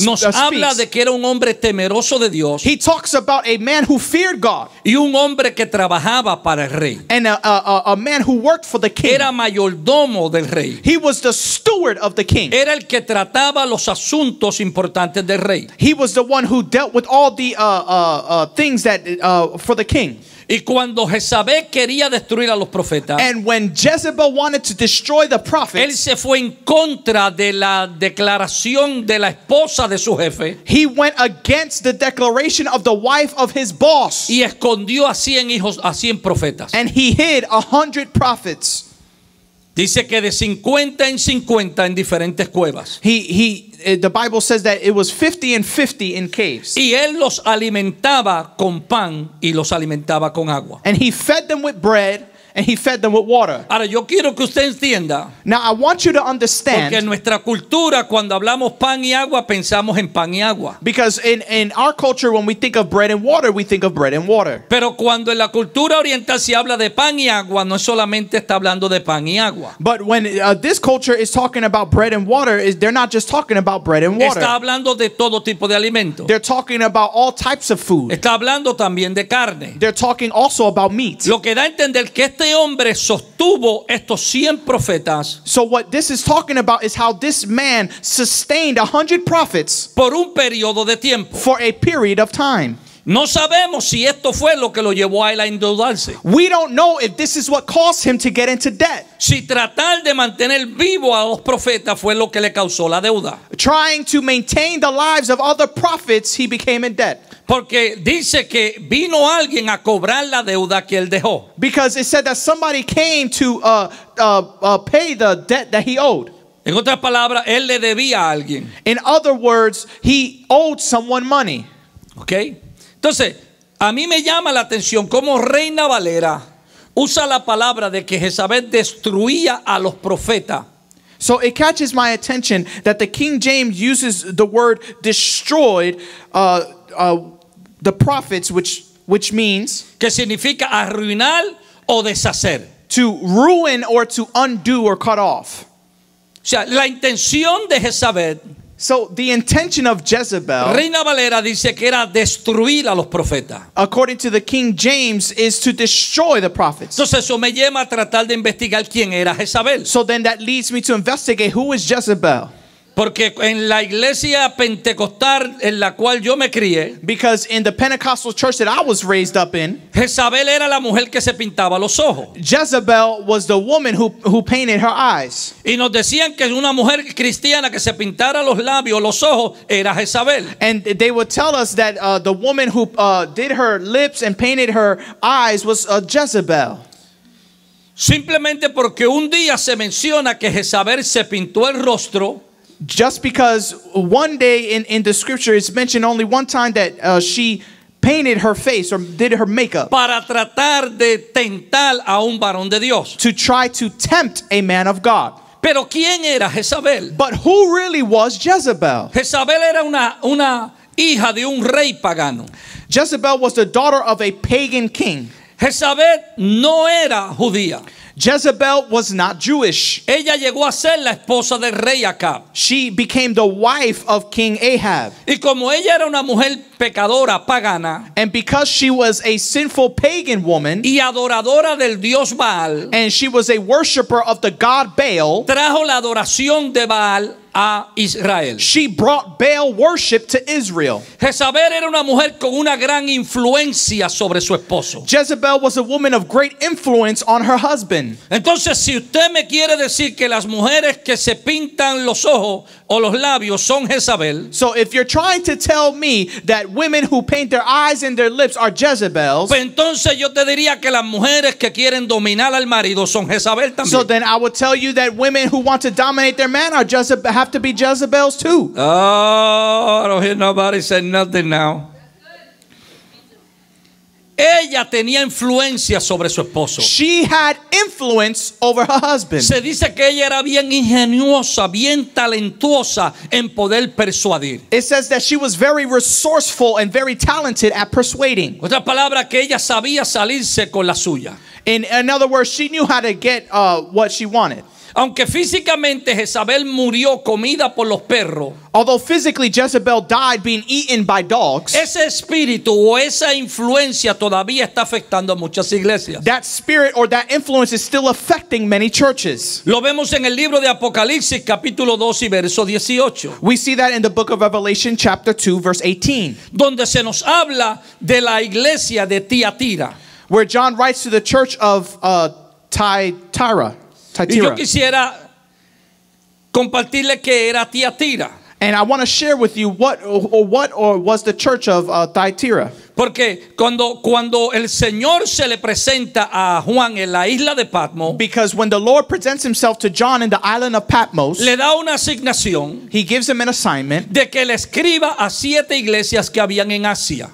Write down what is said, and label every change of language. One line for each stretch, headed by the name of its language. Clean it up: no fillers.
Spanish: nos habla de que era un hombre temeroso de Dios,
English: he talks about a man who feared God,
Spanish: y un hombre que trabajaba para el rey,
English: and a man who worked for the king,
Spanish: era mayordomo del rey,
English: he was the steward of the king,
Spanish: era el que trataba los asuntos importantes del rey,
English: he was the one who dealt with all the things that for the king.
Spanish: Y cuando Jezabel quería destruir a los profetas,
English: and when Jezebel wanted to destroy the prophets,
Spanish: él se fue en contra de la declaración de la esposa de su jefe.
English: He went against the declaration of the wife of his boss.
Spanish: Y escondió a 100 hijos, a 100 profetas.
English: And he hid 100 prophets.
Spanish: Dice que de 50 en 50 en diferentes cuevas.
English: The Bible says that it was 50 and 50 in caves.
Spanish: Y él los alimentaba con pan y los alimentaba con agua.
English: And he fed them with bread and he fed them with water.
Spanish: Ahora, yo quiero que usted entienda.
English: Now I want you to understand.
Spanish: Porque en nuestra cultura, cuando hablamos pan y agua, pensamos en pan y agua.
English: Because in our culture, when we think of bread and water, we think of bread and water.
Spanish: Pero cuando en la cultura oriental se habla de pan y agua, no solamente está hablando de pan y agua.
English: But when this culture is talking about bread and water, they're not just talking about bread and water.
Spanish: Está hablando de todo tipo de alimento.
English: They're talking about all types of food.
Spanish: Está hablando también de carne.
English: They're talking also about meat.
Spanish: Lo que da a entender que este hombre sostuvo estos 100 profetas.
English: So what this is talking about is how this man sustained 100 prophets
Spanish: por un periodo de tiempo.
English: For a period of time.
Spanish: No sabemos si esto fue lo que lo llevó a él a endeudarse.
English: We don't know if this is what caused him to get into debt.
Spanish: Si tratar de mantener vivo a los profetas fue lo que le causó la deuda.
English: Trying to maintain the lives of other prophets, he became in debt.
Spanish: Porque dice que vino alguien a cobrar la deuda que él dejó.
English: Because it said that somebody came to pay the debt that he owed.
Spanish: En otras palabras, él le debía a alguien.
English: In other words, he owed someone money. Okay.
Spanish: Entonces, a mí me llama la atención cómo Reina Valera usa la palabra de que Jezabel destruía a los profetas.
English: So it catches my attention that the King James uses the word destroyed the prophets, which means
Spanish: que significa arruinar o deshacer.
English: To ruin or to undo or cut off.
Spanish: O sea, la intención de Jezabel.
English: So the intention of Jezebel,
Spanish: Reina Valera dice que era destruir a los profetas.
English: According to the King James, is to destroy the prophets.
Spanish: Entonces eso me lleva a tratar de investigar quién era Jezabel.
English: So then that leads me to investigate who is Jezebel.
Spanish: Porque en la iglesia pentecostal en la cual yo me crié,
English: because in the Pentecostal church that I was raised up in,
Spanish: Jezabel era la mujer que se pintaba los ojos.
English: Jezebel was the woman who painted her eyes.
Spanish: Y nos decían que una mujer cristiana que se pintara los labios, los ojos, era Jezabel.
English: And they would tell us that the woman who did her lips and painted her eyes was Jezebel.
Spanish: Simplemente porque un día se menciona que Jezabel se pintó el rostro.
English: Just because one day in the scripture it's mentioned only one time that she painted her face or did her makeup.
Spanish: Para tratar de tentar a un varón de Dios.
English: To try to tempt a man of God.
Spanish: Pero ¿quién era Jezabel?
English: But who really was Jezebel?
Spanish: Jezabel era una hija de un rey pagano.
English: Jezebel was the daughter of a pagan king.
Spanish: Jezabel no era judía.
English: Jezebel was not Jewish.
Spanish: Ella llegó a ser la esposa del rey Acab.
English: She became the wife of King Ahab.
Spanish: Y como ella era una mujer pecadora, pagana,
English: and because she was a sinful pagan woman,
Spanish: y adoradora del dios Baal,
English: and she was a worshiper of the god Baal,
Spanish: trajo la adoración de Baal a Israel.
English: She brought Baal worship to Israel.
Spanish: Jezabel era una mujer con una gran influencia sobre su esposo.
English: Jezebel was a woman of great influence on her husband.
Spanish: Entonces, si usted me quiere decir que las mujeres que se pintan los ojos o los labios son Jezabel,
English: so if you're trying to tell me that women who paint their eyes and their lips are Jezebels,
Spanish: pues entonces yo te diría que las mujeres que quieren dominar al marido son Jezabel también.
English: So then I would tell you that women who want to dominate their man are Jezebel. Have to be Jezebels too. Oh, I don't hear nobody say nothing now.
Spanish: Ella tenía influencia sobre su esposo.
English: She had influence over her husband.
Spanish: Se dice que ella era bien ingeniosa, bien talentosa en poder persuadir.
English: It says that she was very resourceful and very talented at persuading.
Spanish: Otra palabra, que ella sabía salirse con la suya.
English: In other words, she knew how to get what she wanted.
Spanish: Aunque físicamente Jezabel murió comida por los perros,
English: although physically Jezebel died being eaten by dogs,
Spanish: ese espíritu o esa influencia todavía está afectando a muchas iglesias.
English: That spirit or that influence is still affecting many churches.
Spanish: Lo vemos en el libro de Apocalipsis, capítulo 2 y verso 18.
English: We see that in the book of Revelation, chapter 2, verse 18.
Spanish: Donde se nos habla de la iglesia de Tiatira.
English: Where John writes to the church of Thyatira.
Spanish: Y yo quisiera compartirle que era Tiatira.
English: And I want to share with you what was the church of Thyatira.
Spanish: Porque cuando el Señor se le presenta a Juan en la isla de Patmos,
English: because when the Lord presents himself to John in the island of Patmos,
Spanish: le da una asignación,
English: he gives him an assignment,
Spanish: de que le escriba a siete iglesias que habían en Asia,